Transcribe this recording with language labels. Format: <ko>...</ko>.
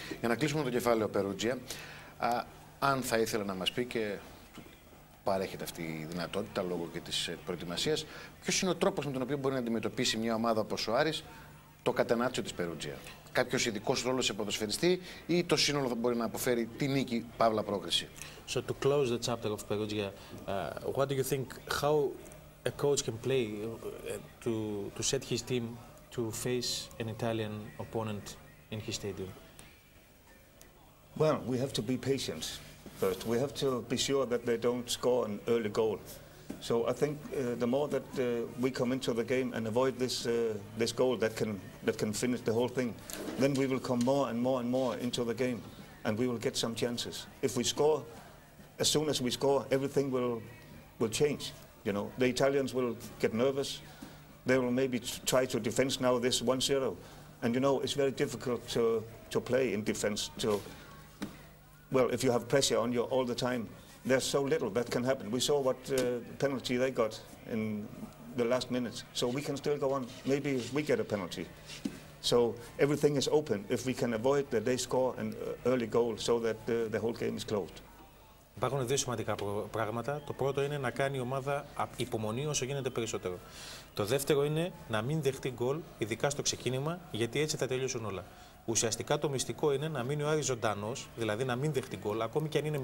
<el>Για να κλείσουμε το κεφάλαιο, Περούτζια, αν θα ήθελα να μας πει και. Παρέχεται αυτή η δυνατότητα λόγω και της προετοιμασίας. Ποιος είναι ο τρόπος με τον οποίο μπορεί να αντιμετωπίσει μια ομάδα όπως ο Άρης το κατενάτσιο της Περούτζια? Κάποιος ειδικός ρόλος σε ποδοσφαιριστή ή το σύνολο θα μπορεί να αποφέρει τη νίκη, παύλα πρόκριση?</el> <en>So to close the chapter of Perugia, what do you think, how a coach can play to set his team to face an Italian opponent in his stadium? Well, we have to be patient. First, we have to be sure that they don't score an early goal. So I think the more that we come into the game and avoid this this goal that can finish the whole thing, then we will come more and more and more into the game, and we will get some chances. If we score, as soon as we score, everything will change. You know, the Italians will get nervous. They will maybe try to defend now this 1-0, and you know it's very difficult to play in defense. Well, if you have pressure on you all the time, there's so little that can happen. We saw what penalty they got in the last minutes. So we can still go on. Maybe we get a penalty. So everything is open if we can avoid that they score an early goal so that the whole game is closed.</en> <el>Υπάρχουν δύο σημαντικά πράγματα. Το πρώτο είναι να κάνει η ομάδα υπομονή όσο γίνεται περισσότερο. Το δεύτερο είναι να μην δεχτεί γκολ, ειδικά στο ξεκίνημα, γιατί έτσι θα τελειώσουν όλα. Ουσιαστικά το μυστικό είναι να μείνει ο Άρης ζωντανός, δηλαδή να μην δεχτεί γκολ, ακόμη και αν είναι 0-0.</el>